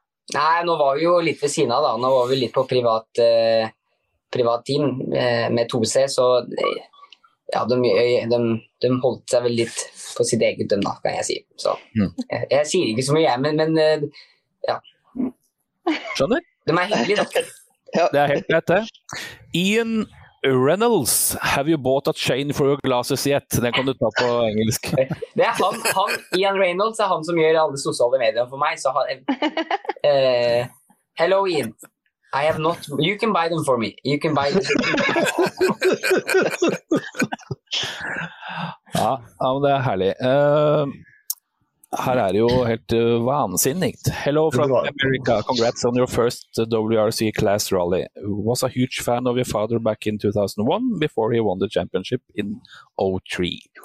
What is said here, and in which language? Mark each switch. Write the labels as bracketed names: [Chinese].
[Norwegian] Nei, nå var vi jo litt ved siden av da. Nå var vi litt på privat team med 2C, så ja, de holdt seg vel litt på sitt eget dem da, kan jeg si. Så, jeg sier ikke så mye, men ja. Skjønner? De er hyggelige da. Det er helt greit det. [English] Ian Reynolds, have you bought a chain for your glasses yet? [Norwegian] Den kan du ta på engelsk. Det er han, Ian Reynolds, er han som gjør alle sosiale medier for meg. Så han, [English] hello Ian, I have not. You can buy them for me. You can buy. [Norwegian] ja, men det er herlig. Her er det jo helt vansinnigt. [English] Hello from America. Congrats on your first WRC class rally. Was a huge fan of your father back in 2001 before he won the championship in 03.